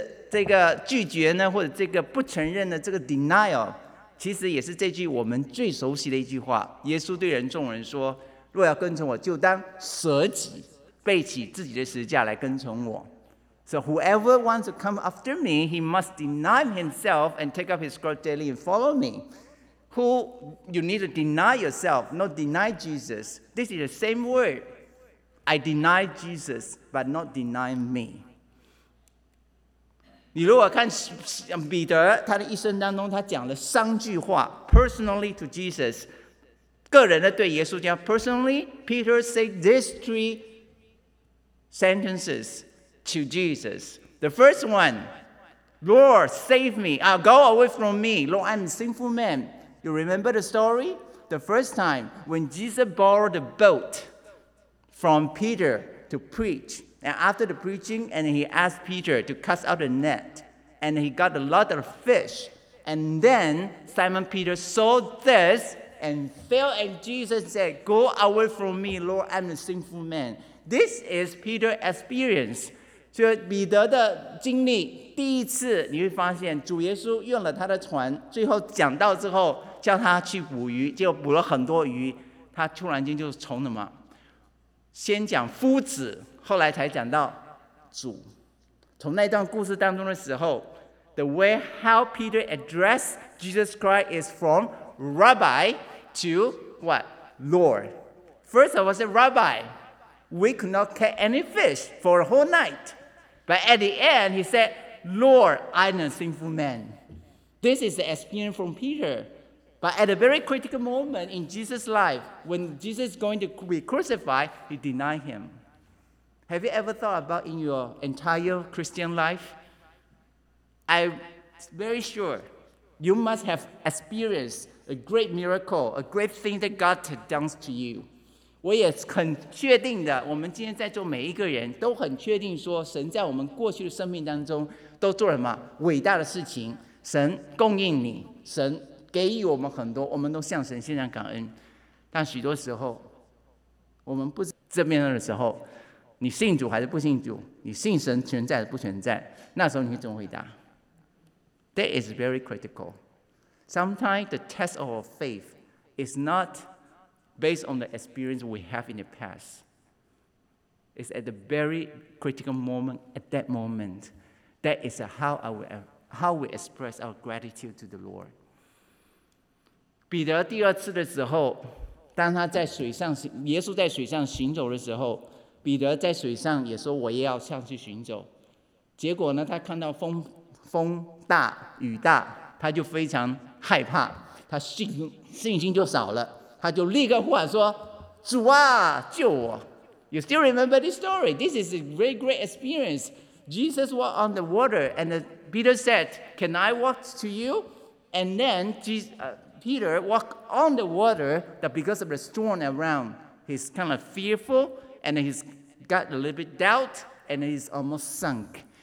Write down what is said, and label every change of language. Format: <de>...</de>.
<zh>这个拒绝呢，或者这个不承认的这个 denial, 其实也是这句我们最熟悉的一句话。耶稣对人众人说，若要跟从我，就当舍己，背起自己的十字架来跟从我。</zh> <en>So whoever wants to come after me, he must deny himself and take up his cross daily and follow me. Who you need to deny yourself, not deny Jesus. This is the same word. I deny Jesus, but not deny me.</en> <zh>你如果看彼得他的一生当中，他讲了三句话</zh> <en>personally to Jesus,</en> <zh>个人的对耶稣讲 personally,</zh> <en>Peter said these three sentences to Jesus. The first one, Lord, save me. Go away from me. Lord, I'm a sinful man. You remember the story? The first time when Jesus borrowed a boat from Peter to preach. And after the preaching, and he asked Peter to cast out a net. And he got a lot of fish. And then Simon Peter saw this and fell. And Jesus said, go away from me, Lord, I'm a sinful man. This is Peter's experience.</en> <zh>所以彼得的经历，第一次你会发现主耶稣用了他的船，最后讲到之后叫他去捕鱼，结果捕了很多鱼，他突然间就从什么，先讲夫子，后来才讲到主。从那段故事当中的时候，</zh> <en>The way how Peter addressed Jesus Christ is from Rabbi to what? Lord. First of all, said Rabbi, we could not catch any fish for the whole night. But at the end, he said, Lord, I'm a sinful man. This is the experience from Peter. But at a very critical moment in Jesus' life, when Jesus is going to be crucified, he denied him. Have you ever thought about in your entire Christian life? I'm very sure you must have experienced a great miracle, a great thing that God has done to you.</en> <zh>我也很确定的，我们今天在座每一个人都很确定说，神在我们过去的生命当中都做了什么伟大的事情，神供应你，神给予我们很多，我们都向神献上感恩。但许多时候，我们不这边的时候，你信主还是不信主？你信神存在不存在？那时候你会怎么回答 ？</zh> <en>That is very critical. Sometimes the test of our faith is not based on the experience we have in the past. is at the very critical moment, at that moment. That is how we express our gratitude to the Lord.</en> <zh>彼得第二次的时候，当他在水上行，耶稣在水上行走的时候，彼得在水上也说我也要上去行走。结果呢，他看到风大雨大，他就非常害怕，他信心就少了，他就立刻呼喊说：“主啊，救我！”</zh> <en>You still remember this story? This is a great, great experience. Jesus walked on the water, and Peter said, "Can I walk to you?" And then Peter walked on the water, but because of the storm around, he's kind of fearful, and he's got a little bit doubt, and he's almost sunk.</en>